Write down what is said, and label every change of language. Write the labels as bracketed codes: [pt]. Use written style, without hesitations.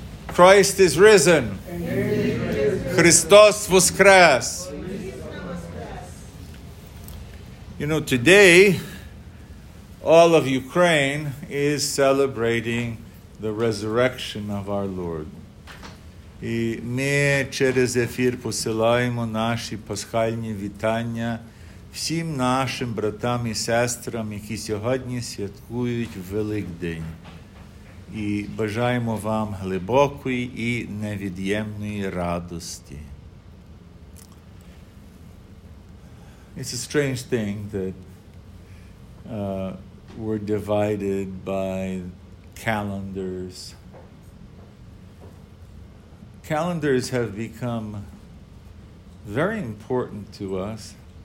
[en] Christ is risen. [uk] Christos voskres. [en] You know, today, all of Ukraine is celebrating the resurrection of our Lord. [uk] І ми через ефір посилаємо наші пасхальні вітання всім нашим братам і сестрам, які сьогодні святкують Великдень. І бажаємо вам глибокої і невід'ємної радості. [en] It's a strange thing that we're divided by calendars. Calendars have become very important to us.